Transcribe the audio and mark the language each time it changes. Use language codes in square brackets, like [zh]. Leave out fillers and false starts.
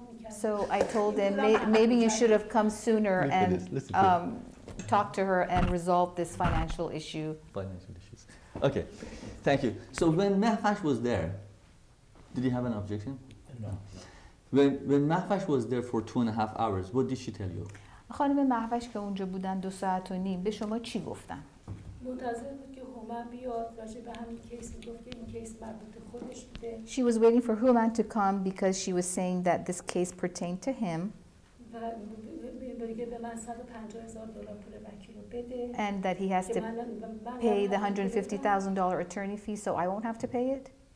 [en] So I told him, maybe you should have come sooner and talked to her and resolved this financial issue. Financial issues. Okay, thank you. So when Mahfash was there, did he have an objection? No. When Mahvash was there for 2.5 hours, what did she tell you? [fa] خانم مهوش که اونجا بودن 2.5 ساعت به شما چی گفتن؟ منتظر بود که هومن بیاد راجع به همین کیس گفت که این کیس مربوط به خودش بوده. [en] She was waiting for Hooman to come because she was saying that this case pertained to him. [fa] و بگه به من $150,000 پول وکیل بده. [en] And that he has to pay the $150,000 attorney fee, so I won't have to pay it.